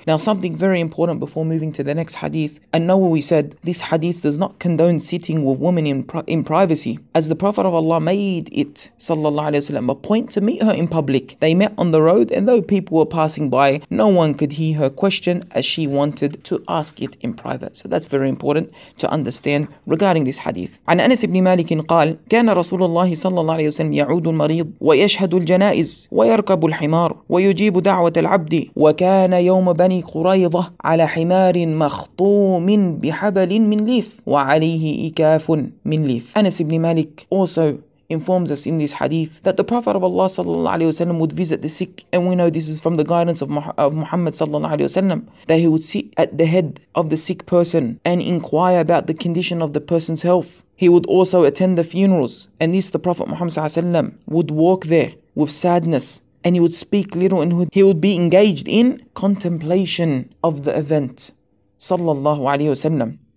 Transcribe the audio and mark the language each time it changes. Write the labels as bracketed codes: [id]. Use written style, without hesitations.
[en] Now something very important before moving to the next hadith. An-Nawawi said, this hadith does not condone sitting with women in privacy, as the Prophet of Allah made it sallallahu alayhi wa sallam a point to meet her in public. They met on the road, and though people were passing by, no one could hear her question as she wanted to ask it in private. So that's very important to understand regarding this hadith. [ar] An Anas ibn Malik qal, كان رسول الله صلى الله عليه وسلم يعود المريض ويشهد الجنائز ويركب الحمار ويجيب دعوة العبد وكان يوم بني قريظة على حمار مخطوم بحبل من ليف وعليه إكاف من ليف. [en] Anas ibn Malik also informs us in this hadith that the Prophet of Allah sallallahu alayhi wa sallam would visit the sick, and we know this is from the guidance of Muhammad sallallahu alayhi wa sallam, that he would sit at the head of the sick person and inquire about the condition of the person's health. He would also attend the funerals, and this the Prophet Muhammad sallallahu alayhi wa sallam would walk there with sadness, and he would speak little, and he would be engaged in contemplation of the event sallallahu alayhi wa sallam.